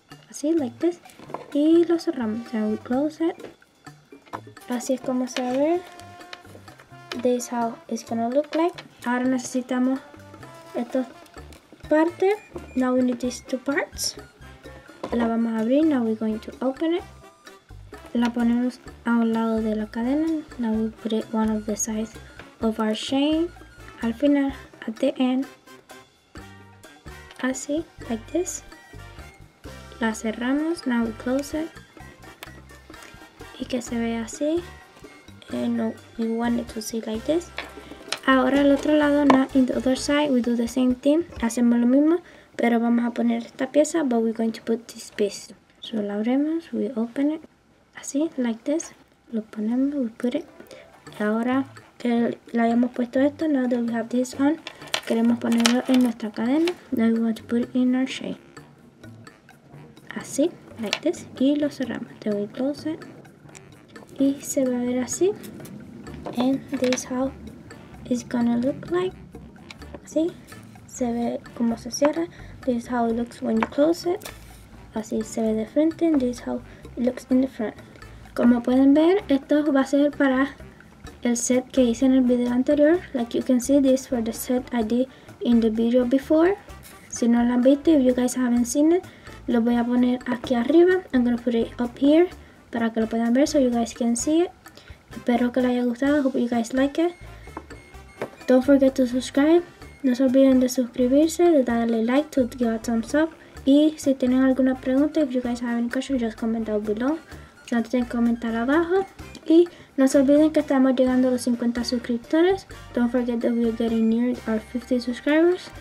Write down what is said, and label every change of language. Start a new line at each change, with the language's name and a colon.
Spanish: Así,
English: like this.
Spanish: Y lo cerramos,
English: now we close it.
Spanish: Así es como se va a ver.
English: This is how it's gonna look like.
Spanish: Ahora necesitamos estas partes.
English: Now we need these two parts.
Spanish: La vamos a abrir,
English: now we're going to open it.
Spanish: La ponemos a un lado de la cadena.
English: Now we put it one of the sides of our chain.
Spanish: Al final,
English: at the end.
Spanish: Así,
English: like this.
Spanish: La cerramos.
English: Now we close it.
Spanish: Y que se vea así.
English: And no, we want it to see like this.
Spanish: Ahora al otro lado,
English: now in the other side, we do the same thing.
Spanish: Hacemos lo mismo, pero vamos a poner esta pieza,
English: but we're going to put this piece. So
Spanish: la abrimos,
English: we open it.
Spanish: Así,
English: like this,
Spanish: lo ponemos,
English: we put it.
Spanish: Y ahora que le hayamos puesto esto,
English: now that we have this on,
Spanish: queremos ponerlo en nuestra cadena.
English: Now we want to put it in our chain.
Spanish: Así,
English: like this,
Spanish: y lo cerramos.
English: Then we close it.
Spanish: Y se va a ver así.
English: And this is how it's gonna look like.
Spanish: Así, se ve como se cierra.
English: This is how it looks when you close it.
Spanish: Así se ve de frente.
English: And this is how it looks in the front.
Spanish: Como pueden ver, esto va a ser para el set que hice en el video anterior.
English: Like you can see, this for the set I did in the video before.
Spanish: Si no lo han visto,
English: if you guys haven't seen it,
Spanish: Lo voy a poner aquí arriba.
English: I'm going to put it up here
Spanish: para que lo puedan ver,
English: so you guys can see it.
Spanish: Espero que les haya gustado.
English: Hope you guys like it. Don't forget to subscribe.
Spanish: No se olviden de suscribirse, de darle like,
English: to give a thumbs up.
Spanish: Y si tienen alguna pregunta,
English: if you guys have any questions, just comment down below.
Spanish: Si no, tienen que comentar abajo. Y no se olviden que estamos llegando a los 50 suscriptores.
English: Don't forget that we are getting near our 50 subscribers.